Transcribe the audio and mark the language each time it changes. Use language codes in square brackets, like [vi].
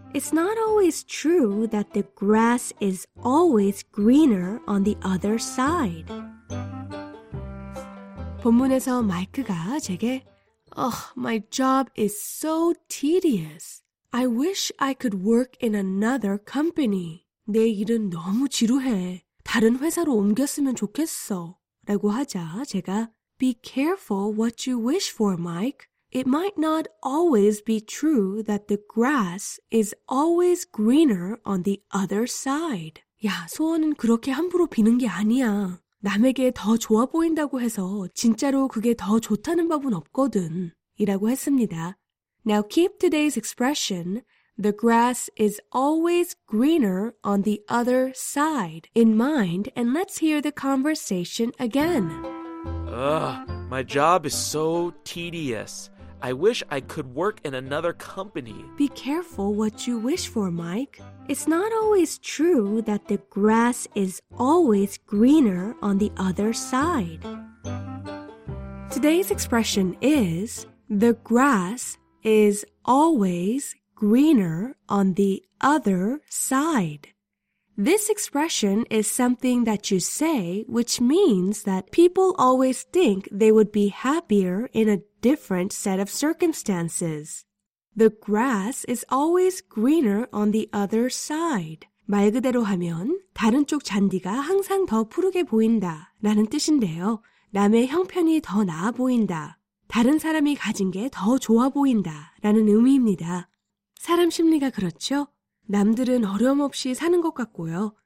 [en] It's not always true that the grass is always greener on the other side. [ko] 본문에서 마이크가 제게 [en] Ugh, my job is so tedious. I wish I could work in another company. [ko] 내 일은 너무 지루해. 다른 회사로 옮겼으면 좋겠어. 라고 하자 제가 [en] Be careful what you wish for, Mike. It might not always be true that the grass is always greener on the other side. [ko] 야, 소원은 그렇게 함부로 비는 게 아니야. 남에게 더 좋아 보인다고 해서 진짜로 그게 더 좋다는 법은 없거든. 이라고 했습니다. [en] Now keep today's expression, the grass is always greener on the other side, in mind, and let's hear the conversation again. Ugh, my job is so tedious. I wish I could work in another company. Be careful what you wish for, Mike. It's not always true that the grass is always greener on the other side. Today's expression is, the grass is always greener on the other side. This expression is something that you say, which means that people always think they would be happier in a different set of circumstances. The grass is always greener on the other side. [ko] 말 그대로 하면 다른 쪽 잔디가 항상 더 푸르게 보인다 라는 뜻인데요. 남의 형편이 더 나아 보인다. 다른 사람이 가진 게 더 좋아 보인다 라는 의미입니다. 사람 심리가 그렇죠? 남들은 어려움 없이 사는 것 같고요.